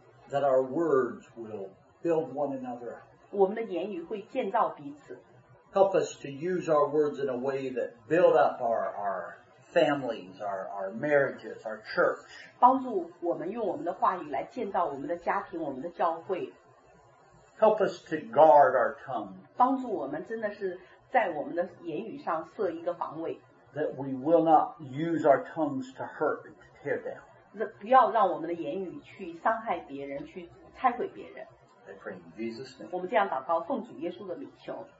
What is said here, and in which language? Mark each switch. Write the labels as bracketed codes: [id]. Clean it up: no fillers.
[en] That our words will build one another. [zh] 我们的言语会建造彼此。 [en] Help us to use our words in a way that build up our families, our marriages, our church. [zh] 帮助我们用我们的话语来建造我们的家庭，我们的教会。 [en] Help us to guard our tongue. [zh] 帮助我们真的是在我们的言语上设一个防卫。 [en] That we will not use our tongues to hurt and to tear down. [zh] 不要让我们的言语去伤害别人，去拆毁别人。 [en] I pray in Jesus' name. [zh] 我们这样祷告，奉主耶稣的名求。